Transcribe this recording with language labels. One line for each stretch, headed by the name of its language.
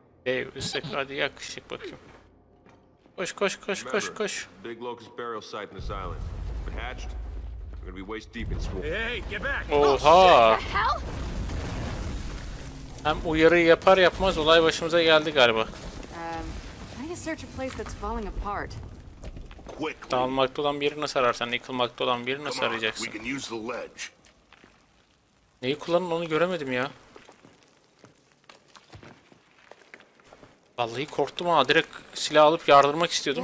Turkish: Dave, ısık. Hadi yakışık bakayım. Koş, koş, koş, koş, koş.
English: Big locust burial site in this island. Hatched. We're gonna be waist deep in swamp. Hey, hey, get back! Oha!
Turkish: Hem uyarı yapar yapmaz olay başımıza geldi galiba.
English: I need to search a place that's falling apart. Quick.
Turkish: Dalmakta olan bir yeri nasıl ararsan, yıkılmakta olan bir yeri nasıl arayacaksın?
English: We can use the ledge.
Turkish: Neyi kullanın onu göremedim ya. Vallahi korktum ha, direkt silah alıp yardırmak istiyordum.